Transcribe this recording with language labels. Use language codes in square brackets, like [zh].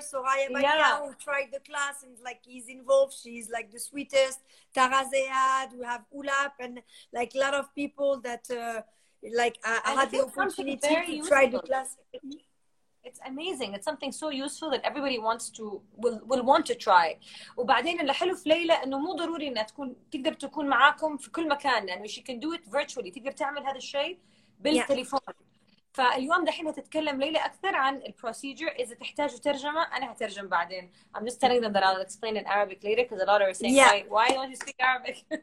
[en] Soraya Bagna, who tried the class and like is involved. She's like the sweetest. Tara Zayad, we have Ulap and like a lot of people that had the opportunity to try the class. It's amazing. It's something so useful that everybody wants to will want to try. [ar] وبعدين اللي حلو في ليلى انه مو ضروري انها تكون تقدر تكون معاكم في كل مكان. [en] يعني she can do it virtually. [ar] تقدر تعمل هذا الشيء بالتليفون. فاليوم دحين هتتكلم ليلى اكثر عن البروسيجر. اذا تحتاجوا ترجمه انا هترجم بعدين. [en] I'm just telling them that I'll explain in Arabic later because a lot of are saying why don't you speak Arabic?